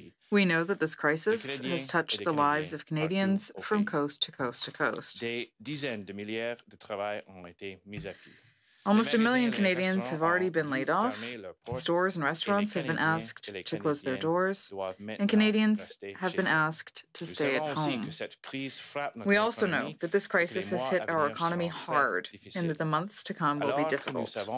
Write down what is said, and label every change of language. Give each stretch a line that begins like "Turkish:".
English: We know that this crisis has touched the lives of Canadiens from coast to coast to coast.
French: Des dizaines de milliards de travail ont été mis à pied.
English: Almost a million Canadians have already been laid off, stores and restaurants have been asked to close their doors, and Canadians have been asked to stay at home. We also know that this crisis has hit our economy hard, and that the months to come will be difficult.